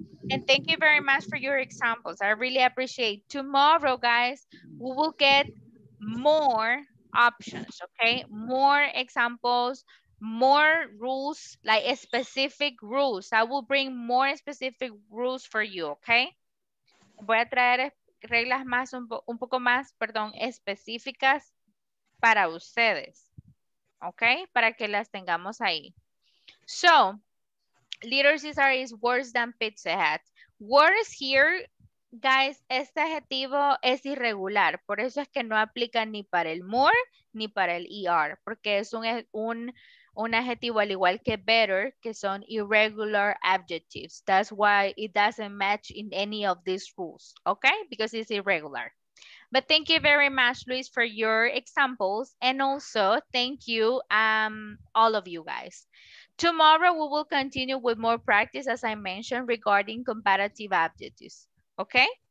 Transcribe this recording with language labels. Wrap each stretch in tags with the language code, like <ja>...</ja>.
<en>And thank you very much for your examples. I really appreciate it. Tomorrow, guys, we will get more options. Okay. More examples. More rules, like specific rules. I will bring more specific rules for you, okay?</en> <es>Voy a traer reglas más, un poco más, perdón, específicas para ustedes, okay? Para que las tengamos ahí.</es> <en>So, Little Caesar is worse than Pizza Hut. Worse here, guys,</en> <es>este adjetivo es irregular. Por eso es que no aplica ni para el more ni para el ER, porque es un adjetivo al igual que better, que son irregular adjectives.</es> <en>That's why it doesn't match in any of these rules, okay? Because it's irregular. But thank you very much, Luis, for your examples. And also, thank you, all of you guys. Tomorrow, we will continue with more practice, as I mentioned, regarding comparative adjectives, okay?</en>